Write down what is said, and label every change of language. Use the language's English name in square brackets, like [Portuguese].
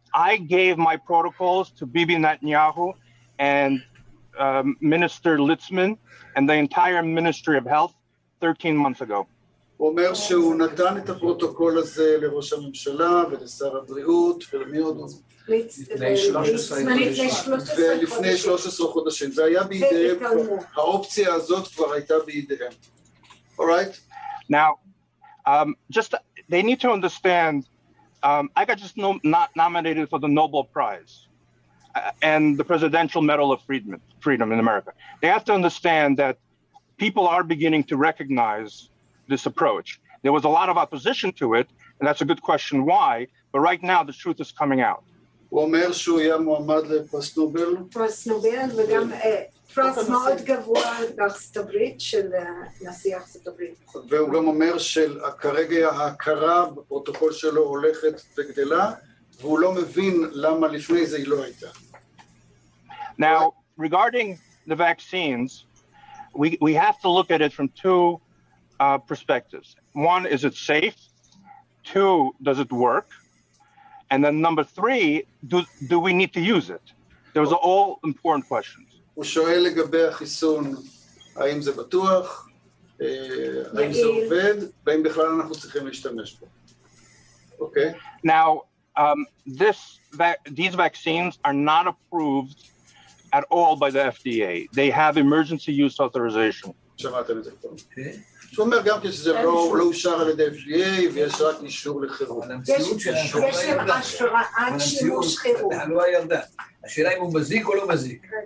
[English] I gave my protocols to Bibi Netanyahu and Minister Litzman and the entire Ministry of Health 13 months ago. [Hebrew] הוא אומר שהוא נתן את הפרוטוקול הזה לראש הממשלה ולשר הבריאות ולמי עוד ולפני 13 חודשים. זה היה בידיהם, האופציה הזאת כבר הייתה בידיהם. [English] All right. Now, they need to understand, I got just not nominated for the Nobel Prize and the Presidential Medal of Freedom in America. They have to understand that people are beginning to recognize this approach. There was a lot of opposition to it, and that's a good question why, but right now the truth is coming out. [Hebrew] הוא אומר שהוא היה מועמד לפרס נובל. פרס נובל, וגם פרס מאוד גבוה בארצות הברית של נשיא ארצות הברית. והוא גם אומר שכרגע ההכרה בפרוטוקול שלו הולכת וגדלה, והוא לא מבין למה לפני זה היא לא הייתה. [English] Now, regarding the vaccines, we have to look at it from two perspectives. One, is it safe? Two, does it work? And then number three, do we need to use it? Those are all important questions. [Hebrew] הוא שואל לגבי החיסון, האם זה בטוח, האם זה עובד, והאם בכלל אנחנו צריכים להשתמש בו. [English] Okay. Now, these vaccines are not approved at all by the FDA. They have emergency use authorization. [Hebrew] שמעתם את זה כבר. זאת אומרת, גם כשזה לא אושר על ידי FDA, ויש רק אישור לחירות. יש למשל שימוש חירות. לא הילדה. השאלה אם הוא מזיק או לא מזיק.